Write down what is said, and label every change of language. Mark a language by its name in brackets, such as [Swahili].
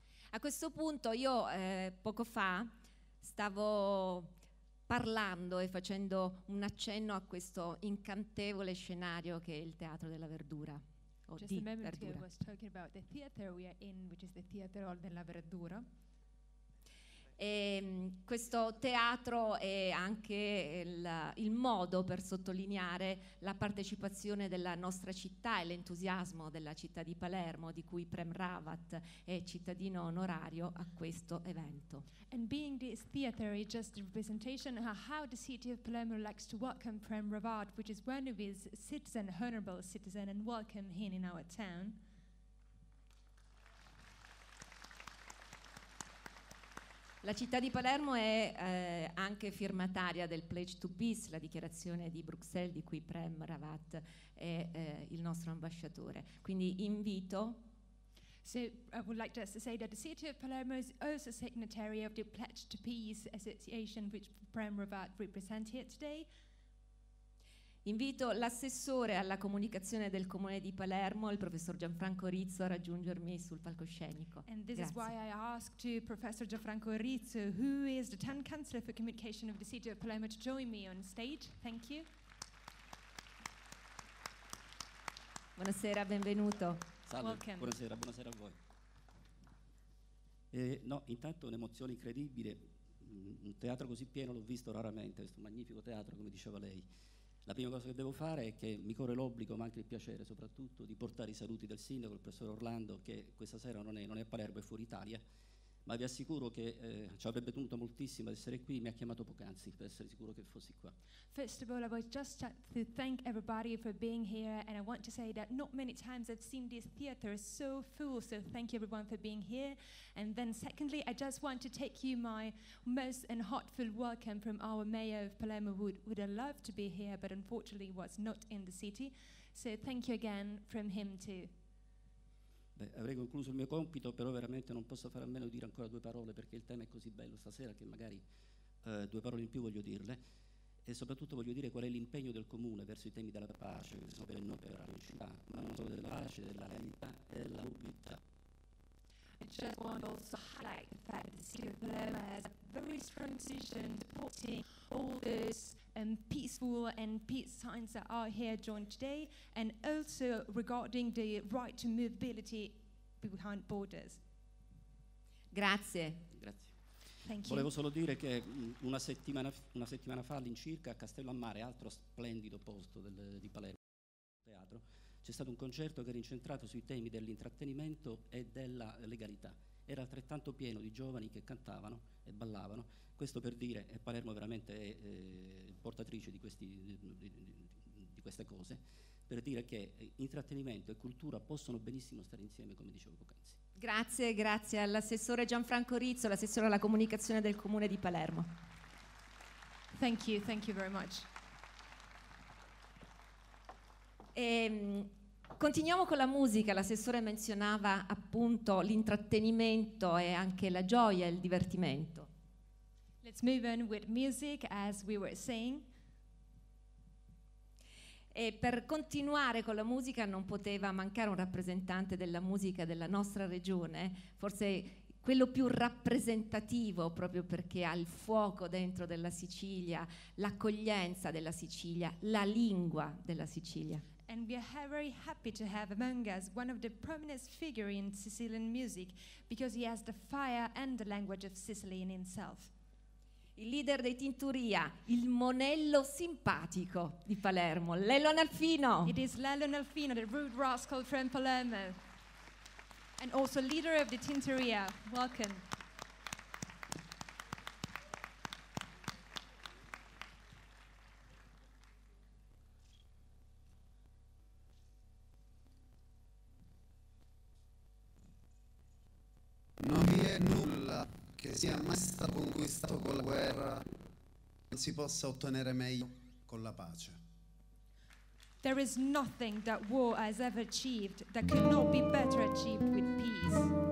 [Italian] A questo punto io poco fa stavo parlando e facendo un accenno a questo incantevole scenario che è il Teatro della Verdura. [English] Just a moment ago I was talking about the theater we are in, which is the Teatro della Verdura. [Italian] E questo teatro è anche il modo per sottolineare la partecipazione della nostra città e l'entusiasmo della città di Palermo, di cui Prem Rawat è cittadino onorario, a questo evento. [English] And being this theater is just a representation of how the city of Palermo likes to welcome Prem Rawat, which is one of his citizen, honorable citizen, and welcome him in our town. [Italian] La città di Palermo è anche firmataria del Pledge to Peace, la dichiarazione di Bruxelles, di cui Prem Rawat è il nostro ambasciatore. Quindi invito. [English] So I would like just to say that the city of Palermo is also signatory of the Pledge to Peace Association, which Prem Rawat represents here today. [Italian] Invito l'assessore alla comunicazione del Comune di Palermo, il professor Gianfranco Rizzo, a raggiungermi sul palcoscenico. [English] And this [Italian] Grazie. [English] Is why I asked to Professor Gianfranco Rizzo, who is the Town Councillor for Communication of the City of Palermo, to join me on stage. Thank you. [Italian] Buonasera, benvenuto. Salve. Welcome. Buonasera, buonasera a voi. No, intanto un'emozione incredibile, un teatro così pieno l'ho visto raramente, questo magnifico teatro, come diceva lei. La prima cosa che devo fare è che mi corre l'obbligo, ma anche il piacere soprattutto, di portare i saluti del sindaco, il professor Orlando, che questa sera non è a Palermo, è fuori Italia, ma vi assicuro che ci avrebbe tenuto moltissimo ad essere qui, mi ha chiamato poc'anzi per essere sicuro che fossi qua. [English] First of all, I would just like to thank everybody for being here, and I want to say that not many times I've seen this theater so full, so thank you everyone for being here. And then secondly, I just want to take you my most and heartfelt welcome from our mayor of Palermo, who would have loved to be here, but unfortunately was not in the city. So thank you again from him too. [Italian] Beh, avrei concluso il mio compito, però veramente non posso fare a meno di dire ancora due parole, perché il tema è così bello stasera che magari due parole in più voglio dirle, e soprattutto voglio dire qual è l'impegno del Comune verso i temi della pace, che sono per noi, per la città, ma non solo della pace, della legalità e della umiltà. [English] I just want to also highlight the fact that the city of Palermo has a very strong position to put in all those peaceful and peace signs that are here joined today, and also regarding the right to mobility behind borders. [Italian] Grazie. Grazie. [English] Thank you. [Italian] Volevo solo dire che una settimana fa all'incirca a Castello a Mare, altro splendido posto di Palermo, teatro, c'è stato un concerto che era incentrato sui temi dell'intrattenimento e della legalità. Era altrettanto pieno di giovani che cantavano e ballavano. Questo per dire che Palermo veramente è portatrice di queste cose, per dire che intrattenimento e cultura possono benissimo stare insieme, come dicevo poc'anzi. Grazie, grazie all'assessore Gianfranco Rizzo, l'assessore alla comunicazione del Comune di Palermo. [English] Thank you very much. [Italian] Continuiamo con la musica. L'assessore menzionava appunto l'intrattenimento e anche la gioia e il divertimento. [English] Let's move on with music, as we were saying. [Italian] E per continuare con la musica non poteva mancare un rappresentante della musica della nostra regione, forse quello più rappresentativo, proprio perché ha il fuoco dentro della Sicilia, l'accoglienza della Sicilia, la lingua della Sicilia. [English] And we are very happy to have among us one of the prominent figures in Sicilian music, because he has the fire and the language of Sicily in himself. [Italian] Il leader dei Tinturia, il monello simpatico di Palermo, Lello Nalfino. [English] It is Lello Nalfino, the rude rascal from Palermo, and also leader of the Tinturia. Welcome. [Italian] Che sia mai stato conquistato con la guerra, non si possa ottenere meglio con la pace. [English] There is nothing that war has ever achieved that could not be better achieved with peace.